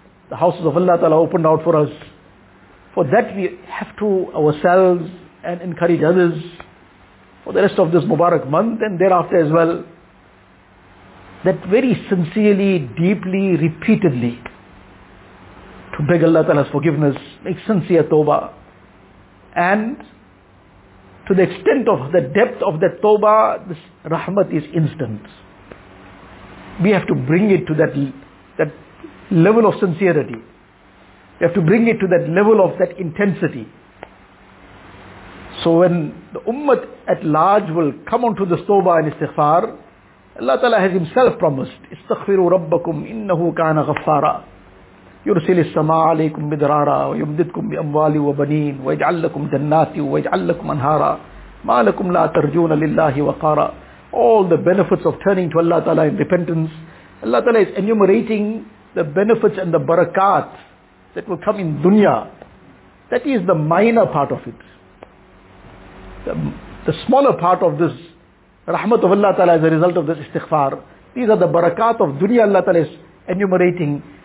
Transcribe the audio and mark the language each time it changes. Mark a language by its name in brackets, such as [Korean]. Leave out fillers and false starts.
[English] The houses of Allah Ta'ala opened out for us. For that we have to ourselves and encourage others for the rest of this Mubarak month and thereafter as well, that very sincerely, deeply, repeatedly to beg Allah Ta'ala's forgiveness, make sincere tawbah, and to the extent of the depth of that tawbah, this rahmat is instant. We have to bring it to that level of sincerity. We have to bring it to that level of that intensity. So when the ummah at large will come onto the tawbah and istighfar, Allah Ta'ala has Himself promised, [Arabic] استغفروا ربكم إنه كان غفارا يرسل السماء عليكم مدرارا ويمددكم بأموال وبنين ويجعل لكم جنات ويجعل لكم أنهارا ما لكم لا ترجون لله وقارا. [English] All the benefits of turning to Allah Ta'ala in repentance, Allah Ta'ala is enumerating the benefits and the barakat that will come in dunya. That is the minor part of it. The smaller part of this rahmat of Allah Ta'ala as a result of this istighfar, these are the barakat of dunya Allah Ta'ala is enumerating.